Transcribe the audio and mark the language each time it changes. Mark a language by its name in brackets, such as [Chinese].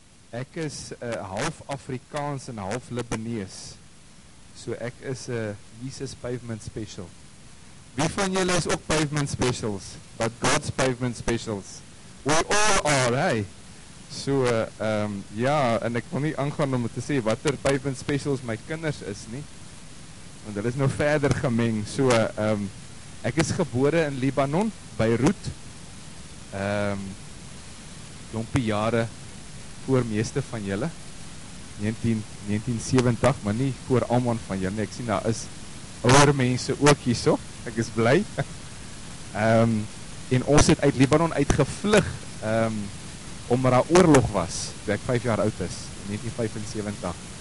[Afrikaans] Ek is 'n half Afrikaans en half Libanees. So ek is 'n Jesus Pavement Special. Wie van julle is ook Pavement Specials? [English] But God's Pavement Specials. We all are, hey. [Afrikaans] So, ja, en ek wil nie aangaan om te sê wat er Pavement Specials my kinders is nie, want hulle is nou verder gemeng. So, ek is gebore in Libanon, Beirut, jompie jare voor meeste van julle, 1970, maar nie voor almal van julle. Ek sien, daar is ouer mense ook hier so, ek is bly. En ons het uit Libanon uitgevlug, omdat daar oorlog was, toe ek 5 jaar oud is, 1975.